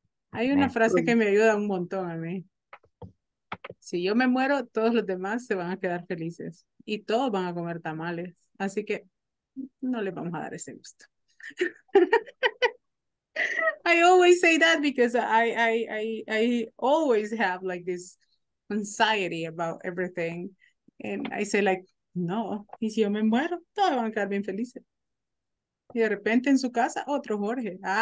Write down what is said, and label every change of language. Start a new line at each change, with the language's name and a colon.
Spanish: Hay una frase que me ayuda un montón a mí. Si yo me muero, todos los demás se van a quedar felices. Y todos van a comer tamales. Así que no les vamos a dar ese gusto.
English: I always say that because I always have like this anxiety about everything. And I say like,
Spanish: no, y si yo me muero, todos van a quedar bien felices. Y de repente en su casa, otro Jorge.